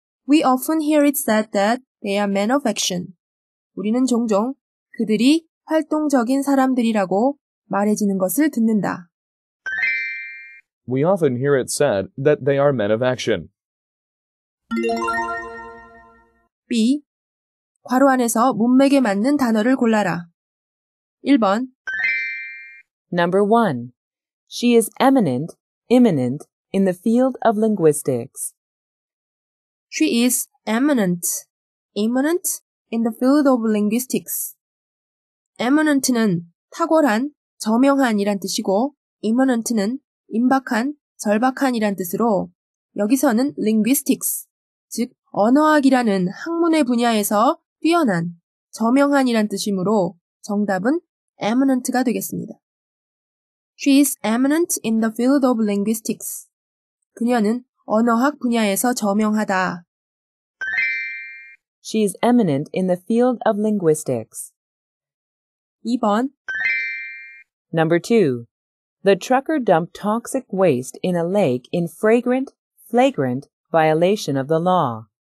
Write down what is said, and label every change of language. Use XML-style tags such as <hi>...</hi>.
<en>We often hear it said that they are men of action.</en> <ko>우리는 종종 그들이 활동적인 사람들이라고 말해지는 것을 듣는다.</ko> <en>We often hear it said that they are men of action. B.</en> <ko>괄호 안에서 문맥에 맞는 단어를 골라라. 1번</ko> <en>Number 1. She is eminent, imminent in the field of linguistics. She is eminent, imminent in the field of linguistics.</en> <ko>Eminent는 탁월한, 저명한이란 뜻이고, imminent는 임박한, 절박한이란 뜻으로 여기서는 linguistics, 즉 언어학이라는 학문의 분야에서 뛰어난, 저명한이란 뜻이므로 정답은 eminent가 되겠습니다.</ko> <en>She is eminent in the field of linguistics.</en> <ko>그녀는 언어학 분야에서 저명하다.</ko> <en>She is eminent in the field of linguistics.</en> <ko>2번</ko> <en>Number 2. The trucker dumped toxic waste in a lake in flagrant violation of the law.</en>